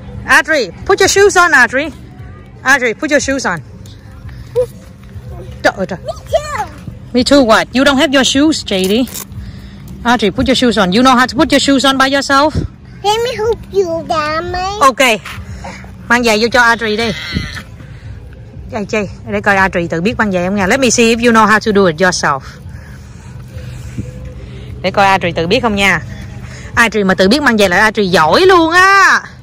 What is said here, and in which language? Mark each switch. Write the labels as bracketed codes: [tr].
[en] Audrey, put your shoes on. Audrey, put your shoes on. Me too. Me too. What? You don't have your shoes, JD. Audrey, put your shoes on. You know how to put your shoes on by yourself? Let me help you, Daddy. Okay. [vi] Mang giày vô cho Audrey đi. Chạy chạy. Để coi Audrey tự biết mang giày không nha. [en] Let me see if you know how to do it yourself. [vi] Để coi Audrey tự biết không nha. Audrey mà tự biết mang giày là Audrey giỏi luôn á.